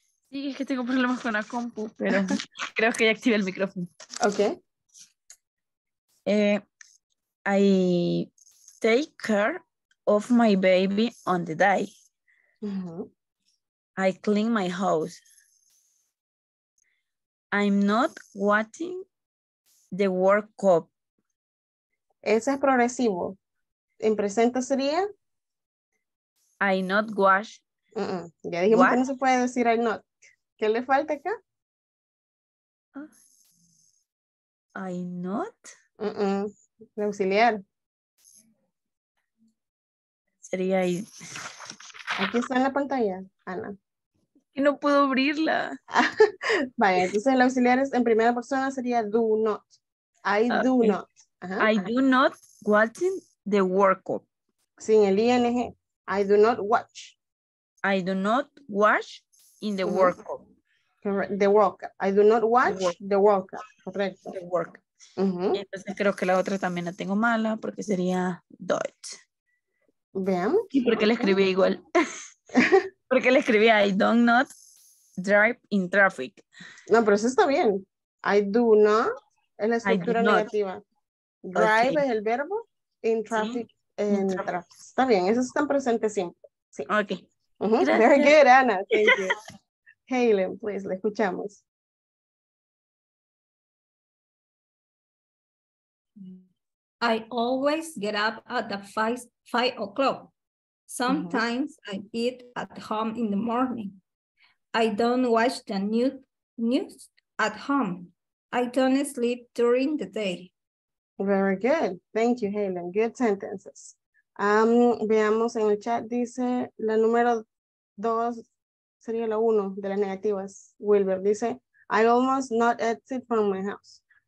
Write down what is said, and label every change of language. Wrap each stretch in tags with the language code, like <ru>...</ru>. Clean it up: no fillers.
<es>Sí, es que tengo problemas con la compu, pero creo que ya activé el micrófono. Okay.</es> <en>I take care of my baby on the day. Mm-hmm. I clean my house. I'm not watching the World Cup.</en> <es>Ese es progresivo. En presente sería</es> <en>I not wash.</en> <es>Ya dijimos what? Que no se puede decir</es> <en>I not.</en> <es>¿Qué le falta acá?</es> <en>I not.</en> <es>La auxiliar. Sería ahí. Aquí está en la pantalla, Ana. Que no puedo abrirla. Vaya, entonces la auxiliar es, en primera persona sería</es> <en>do not. I do not. Ajá, I do not watch the World Cup.</en> <es>Sin el</es> <en>ING. I do not watch. I do not watch in the World Cup. The World Cup. I do not watch the World Cup. Correcto. The World Cup. Uh-huh.</en> <es>Entonces creo que la otra también la tengo mala porque sería Deutsch. Vean. Y porque le escribí igual. Porque le escribí</es> <en>I do not drive in traffic.</en> <es>No, pero eso está bien.</es> <en>I do not</en> <es>es la estructura negativa.</es> <en>Drive okay.</en> <es>Es el verbo.</es> <en>In traffic.</en> <es>¿Sí? En traffic. Está bien, eso está en presente simple. Sí. Ok.</es> <en>Uh-huh. Very good, Ana. Thank you. Helen, please,</en> <es>le escuchamos.</es> <en>I always get up at the 5 o'clock. Sometimes mm-hmm. I eat at home in the morning. I don't watch the news at home. I don't sleep during the day. Very good. Thank you, Helen. Good sentences.</en> <es>Veamos en el chat, dice la número 2, sería la 1 de las negativas. Wilber dice,</es> <en>I almost not exit from my house.</en>